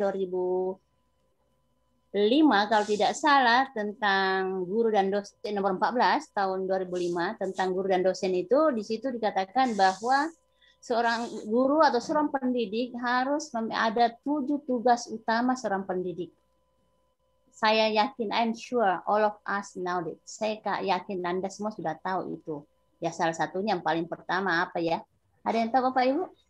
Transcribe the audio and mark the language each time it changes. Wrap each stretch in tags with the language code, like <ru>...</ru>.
<id>2005 kalau tidak salah, tentang guru dan dosen nomor 14 tahun 2005 tentang guru dan dosen, itu di situ dikatakan bahwa seorang guru atau seorang pendidik harus ada 7 tugas utama seorang pendidik. Saya yakin,</id> <en>I'm sure all of us know it.</en> <id>Saya yakin Anda semua sudah tahu itu. Ya, salah satunya yang paling pertama apa ya? Ada yang tahu Bapak Ibu?</id>